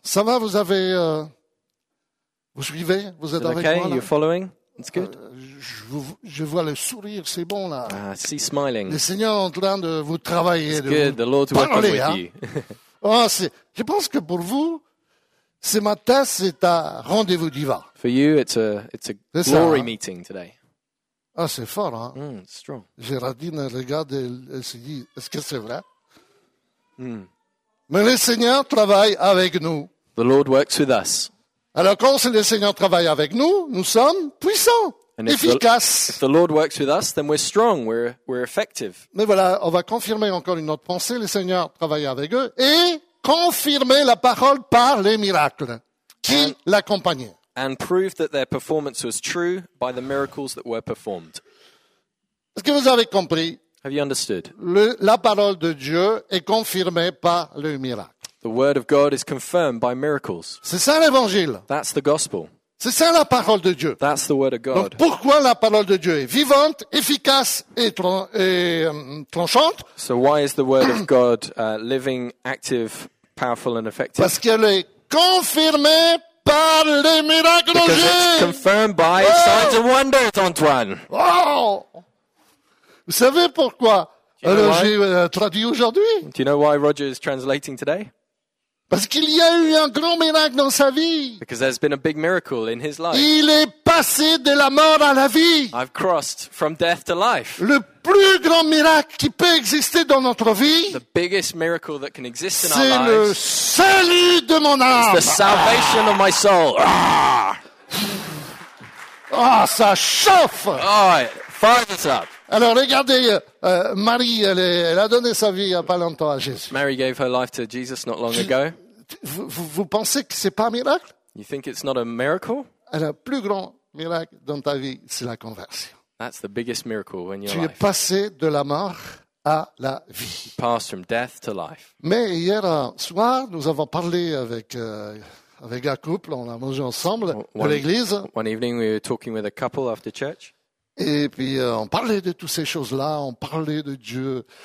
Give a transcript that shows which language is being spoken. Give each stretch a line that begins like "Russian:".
French: Ça va, vous avez vous suivez, vous êtes
English: okay,
French: avec moi?
English: Okay, you're following. It's good.
French: Je vois le sourire, c'est bon là.
English: Ah, see smiling.
French: Le Seigneur est en train de vous travailler.
English: It's good.
French: Vous
English: the Lord
French: parler,
English: working
French: hein.
English: With you.
French: Oh, c'est. Je pense que pour vous. Ce matin, c'est un rendez-vous divin.
English: For you, it's a c'est glory ça. Meeting today.
French: Ah, c'est fort, hein?
English: Mm, strong.
French: Géraldine regarde et elle se dit, est-ce que c'est vrai? Mais le Seigneur travaille avec nous.
English: The Lord works with us.
French: Alors quand le Seigneur travaille avec nous, nous sommes puissants, efficaces.
English: If the Lord works with us, then we're strong, we're effective.
French: Mais voilà, on va confirmer encore une autre pensée, le Seigneur travaille avec eux et confirmer la parole par les miracles qui l'accompagnaient.
English: And prove that their performance was true by the miracles that were performed.
French: Est-ce que vous avez compris?
English: Have you understood?
French: La parole de Dieu est confirmée par le miracle.
English: The word of God is confirmed by miracles.
French: C'est ça l'évangile.
English: That's the gospel.
French: C'est ça la parole de Dieu.
English: That's the word of God.
French: Donc pourquoi la parole de Dieu est vivante, efficace et tranchante?
English: So why is the word of God living, active, powerful and effective?
French: Parce qu'elle est confirmée par les miracles.
English: Because it's confirmed by signs and wonders, Antoine. Oh!
French: Vous savez pourquoi Roger traduit aujourd'hui?
English: Do you know why Roger is translating today?
French: Parce qu'il y a eu un grand miracle dans sa vie.
English: Because there's been a big miracle in his life.
French: Il est passé de la mort à la vie.
English: I've crossed from death to life.
French: Le plus grand miracle qui peut exister dans notre vie.
English: The biggest miracle that can exist in our lives.
French: C'est le salut de mon âme.
English: It's the salvation of my soul.
French: Ah, ça chauffe.
English: Oh, it fires up.
French: Alors regardez, Marie, elle a donné sa vie il y a pas longtemps à Jésus.
English: Mary gave her life to Jesus not long ago.
French: Vous pensez que c'est pas un miracle?
English: You think it's not a miracle?
French: Alors, le plus grand miracle dans ta vie, c'est la conversion.
English: That's the biggest miracle in your life.
French: Tu es passé de la mort à la vie.
English: You passed from death to life.
French: Mais hier soir, nous avons parlé avec avec un couple, on a mangé ensemble à l'église.
English: One evening we were talking with a couple after church.
French: Et puis on parlait de toutes ces choses-là, on parlait de Dieu.